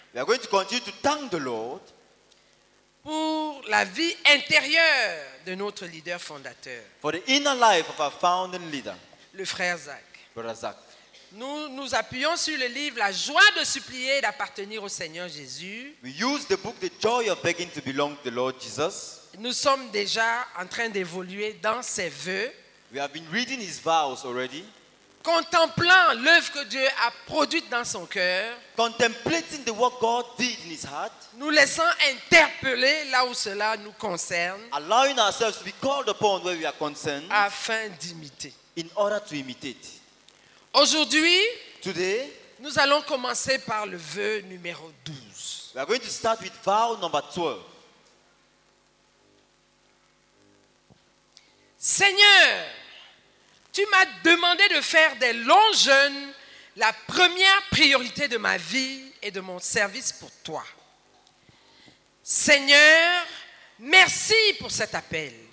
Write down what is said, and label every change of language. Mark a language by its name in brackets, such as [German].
[English] We are going to continue to thank the Lord. [French] Pour la vie intérieure de notre leader fondateur. [English] For the inner life of our founding leader. [French] Le frère Zach. [English] Brother Zach. [French] Nous nous appuyons sur le livre La joie de supplier et d'appartenir au Seigneur Jésus. [English] We use the book The Joy of Begging to Belong to the Lord Jesus. [French] Nous sommes déjà en train d'évoluer dans ses vœux. [English] We have been reading his vows already. [French] Contemplant l'œuvre que Dieu a produite dans son cœur. [English] Contemplating the work God did in his heart. [French] Nous laissant interpeller là où cela nous concerne. [English] Allowing ourselves to be called upon where we are concerned. [French] Afin d'imiter. [English] In order to imitate. [French] Aujourd'hui, [English] today, [French] nous allons commencer par le vœu numéro 12. [English] We are going to start with vow number 12. [French] Seigneur, tu m'as demandé de faire des longs jeûnes la première priorité de ma vie et de mon service pour toi. Seigneur, merci pour cet appel.